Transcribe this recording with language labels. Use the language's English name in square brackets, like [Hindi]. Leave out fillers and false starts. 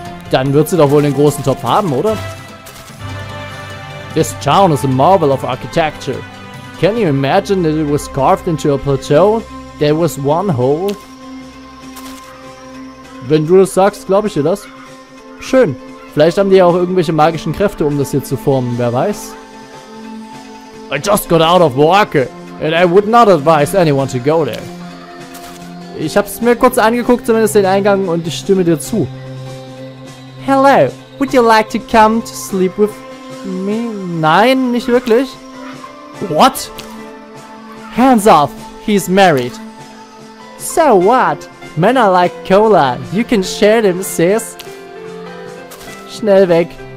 [German] Dann wird sie doch wohl den großen Topf haben, oder? [English] This town is a marvel of architecture. Can you imagine that it was carved into a plateau? There was one hole? [German] Wenn du das sagst, glaube ich dir das. Schön. Vielleicht haben die ja auch irgendwelche magischen Kräfte, um das hier zu formen, wer weiß. [English] I just got out of Walker, and I would not advise anyone to go there. [German] Ich hab's mir kurz angeguckt, zumindest den Eingang, und ich stimme dir zu. [English] Hello, would you like to come to sleep with me? [German] Nein, nicht wirklich. [English] What? Hands off, he's married. So what? Men are like cola, you can share them, sis. [German] Schnell weg.